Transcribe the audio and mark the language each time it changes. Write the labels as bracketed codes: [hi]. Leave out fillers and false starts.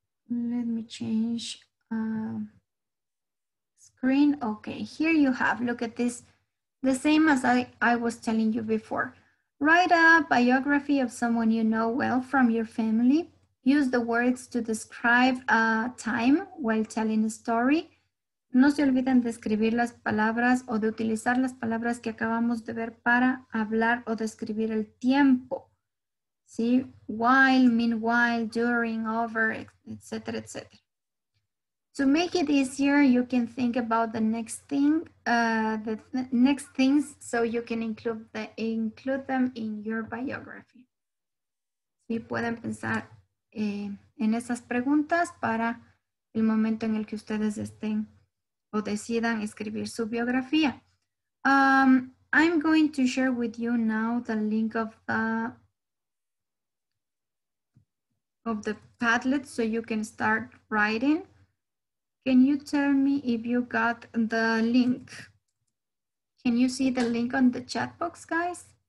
[en] Let me change screen. Okay, here you have, look at this, the same as I was telling you before. Write a biography of someone you know well from your family. Use the words to describe a time while telling a story. [es] No se olviden de escribir las palabras o de utilizar las palabras que acabamos de ver para hablar o describir el tiempo. [en] ¿Sí? While, meanwhile, during, over, etc., etc. To make it easier, you can think about the next thing, the next things, so you can include them in your biography. [es] Sí, pueden pensar en esas preguntas para el momento en el que ustedes estén o decidan escribir su biografía. [en] I'm going to share with you now the link of the Padlet, so you can start writing. Can you tell me if you got the link? Can you see the link on the chat box, guys?